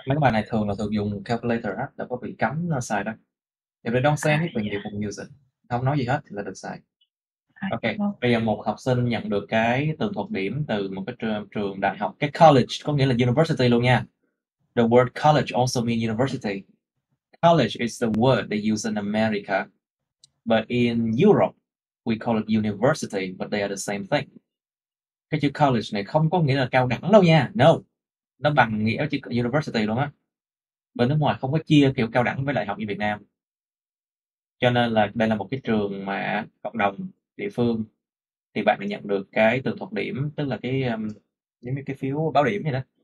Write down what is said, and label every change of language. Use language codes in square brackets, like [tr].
[vi] Mấy bài này thường là thường dùng calculator á, đâu có bị cấm nó xài đâu. [en] If they don't say À anything, you dạ. can use it. [vi] Không nói gì hết thì là được xài. À dạ Ok, vâng. bây giờ một học sinh nhận được cái từ thuộc điểm từ một cái trường, trường đại học, cái college có nghĩa là university luôn nha. [en] The word college also mean university. College is the word they use in America. But in Europe, we call it university, but they are the same thing. [vi] Cái chữ college này không có nghĩa là cao đẳng đâu nha. No. Nó bằng nghĩa chữ university luôn á. Bên nước ngoài không có chia kiểu cao đẳng với đại học như Việt Nam. Cho nên là đây là một cái trường mà cộng đồng địa phương thì bạn đã nhận được cái từ thuộc điểm, tức là cái giống như cái phiếu báo điểm vậy đó.